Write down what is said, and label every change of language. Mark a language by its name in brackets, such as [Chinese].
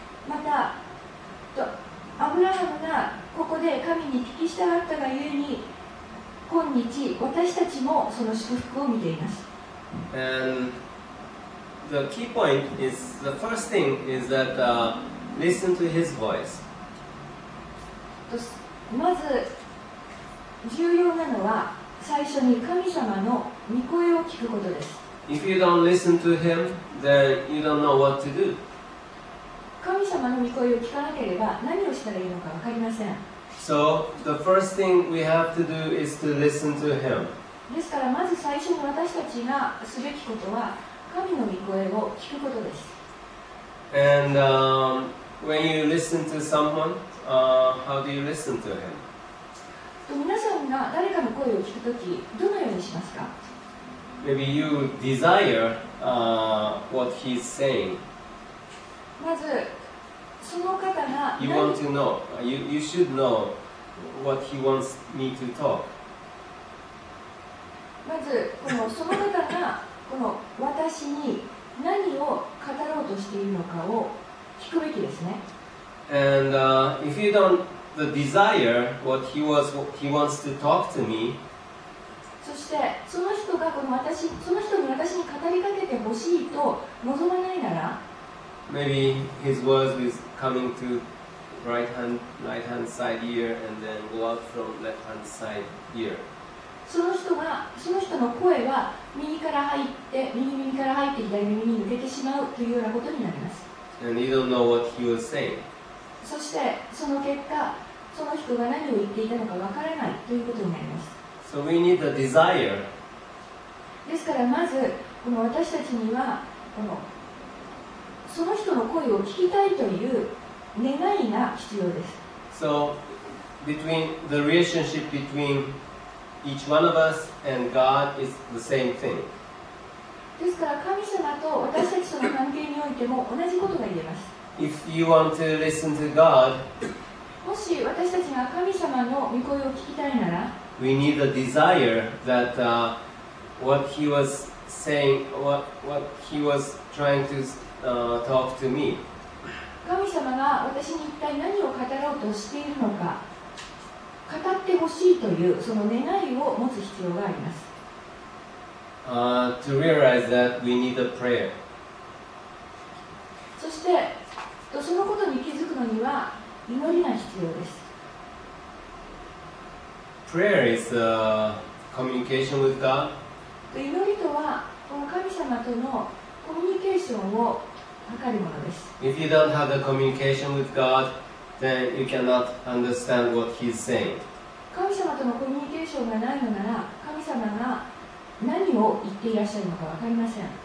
[Japanese] またアブラハムがここで神に聞き従ったがゆえに今日私たちもその祝福を見ています。 [English] And the key point is the first thing is thatListen to his voice. [Japanese] まず重要なのは最初に神様の御声を聞くことです。 [English] If you don't listen to him, then you don't know what to do. [Japanese] 神様の御声を聞かなければ何をしたらいいのか分かりません。 [English] So the first thing we have to do is to listen to him. [Japanese] ですからまず最初に私たちがすべきことは神の御声を聞くことです。 [English] And when you listen to someone, how do you listen to him? [Japanese] 皆さんが誰かの声を聞くとき、どのようにしますか? [English] Maybe you desire what he's saying. [Japanese] まず、その方が [English] You want to know. You should know what he wants me to talk. [Japanese] まず、その方がこの私に何を語ろうとしているのかを聞くべきですね。 [English] And if you don't the desire what he wants to talk to me, [Japanese] そしてその人がこの私その人に私に語りかけてほしいと望まないなら、 [English] maybe his words is coming to right hand side ear and then go out from left hand side ear. [Japanese] その人の声は右から入って右耳から入って左耳に抜けてしまうというようなことになります。 [English] And you don't know what he was saying. [Japanese] そしてその結果その人が何を言っていたのかわからないということになります。 [English] So we need a desire. [Japanese] ですからまずこの私たちにはこのその人の声を聞きたいという願いが必要です。 [English] So between the relationship betweenEach one of us and God is the same thing. [Japanese] ですから神様と私たちとの関係においても同じことが言えます。 [English] If you want to listen to God, [Japanese] もし私たちが神様の御声を聞きたいなら、 [English] we need a desire that what he was saying, what he was trying to talk to me. [Japanese] 神様が私に一体何を語ろうとしているのか。語ってほしいというその願いを持つ必要があります。 [English] To realize that we need a prayer. [Japanese] そしてそのことに気づくのには祈りが必要です。 [English] Prayer is a communication with God. [Japanese] と祈りとはこの神様とのコミュニケーションを図るものです。 [English] If you don't have the communication with God, then you cannot understand what he's saying. [Japanese] 神様とのコミュニケーションがないのなら、神様が何を言っていらっしゃるのか分かりません。